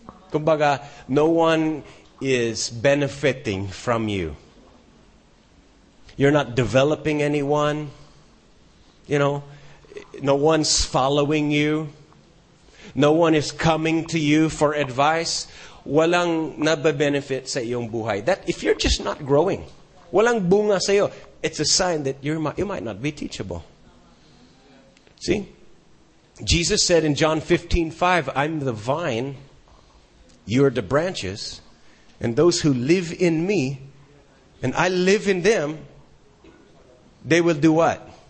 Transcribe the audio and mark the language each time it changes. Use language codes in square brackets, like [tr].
[tl] Kumbaga, [en] no one is benefiting from you. You're not developing anyone. You know, no one's following you. No one is coming to you for advice. [tl] Walang nababenefit sa iyong buhay. [en] That if you're just not growing, [tl] walang bunga sa iyo, [en] it's a sign that you might not be teachable. See? Jesus said in John 15:5, I'm the vine, you are the branches, and those who live in me, and I live in them, they will do what?